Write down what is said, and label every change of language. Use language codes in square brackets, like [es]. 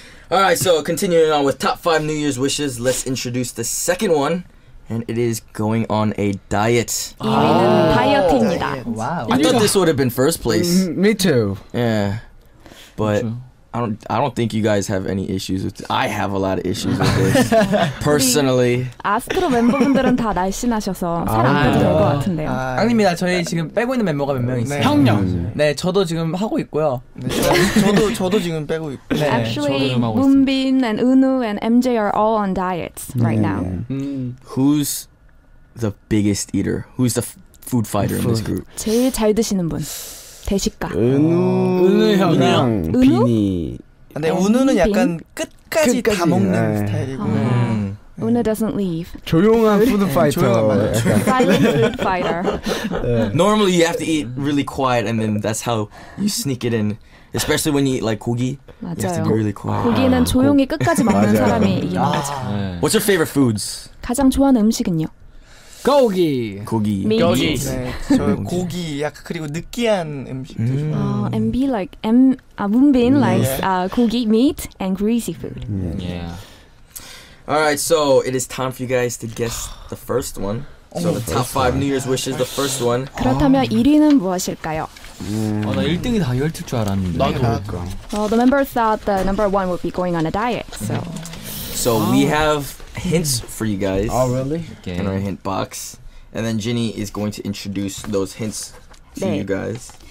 [en] All right, so continuing on with top five New Year's wishes, let's introduce the second one, and it is going on a diet. Oh. Oh. Wow. I thought this would have been first place. Me too. Yeah, but I don't think you guys have any issues with this. I have a lot of issues with this, personally. [ko] 아스트로 멤버분들은 다 날씬하셔서 잘 안 되는 것 같은데요. 아닙니다. 저희 지금 빼고 있는 멤버가 몇 명 있어요. 형님. 네, 저도 지금 하고 있고요. 저도 지금 빼고 있고. 네. [en] Actually, Moonbin and Eunwoo and MJ are all on diets right now. Who's the biggest eater? Who's the food fighter in this group? [ko] 제일 잘 드시는 분. 대식가 은우 형이랑 비니 근데 은우는 약간 끝까지 다 먹는 네. 스타일이고 [en] 은우 doesn't leave [ko] 조용한 푸드 파이터 조용한 푸드 파이터 [en] Normally you have to eat really quiet and then that's how you sneak it in Especially when you eat like 고기 [ko] 맞아요 [en] You have to be really quiet [ko] 고기는 조용히 끝까지 먹는 사람이 이긴 거죠 [en] What's your favorite foods? [ko] 가장 좋아하는 음식은요? 고기. 고기. 고기. 네, 저 고기 약 그리고 느끼한 음식도 좋아해요. [en] And be like M Moonbin likes 고기 meat and greasy food. Yeah. All right, so it is time for you guys to guess the first one. So the top 5 New Year's wishes, the first one. [ko] 그렇다면 1위는 무엇일까요? 나 1등이 다 열틀 줄 알았는데. 나도 그러니까. [en] Well, the members thought the number 1 would be going on a diet. So we have hints for you guys. Oh, really? Okay. In our hint box. And then Ginny is going to introduce those hints to 네. you guys.